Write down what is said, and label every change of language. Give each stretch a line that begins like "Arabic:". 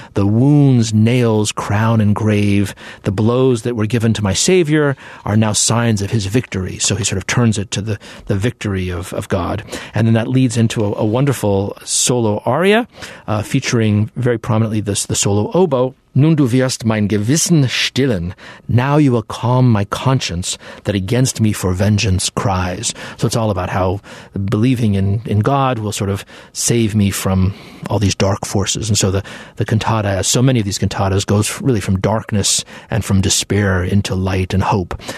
English: The wounds, nails, crown, and grave, the blows that were given to my Savior are now signs of his victory. So he sort of turns it to the victory of God. And then that leads into a wonderful solo aria featuring very prominently the solo oboe.
German: "Nun du wirst mein Gewissen stillen."
English: Now you will calm my conscience that against me for vengeance cries. So it's all about how believing in God will sort of save me from all these dark forces. And so the cantata, as so many of these cantatas, goes really from darkness and from despair into light and hope.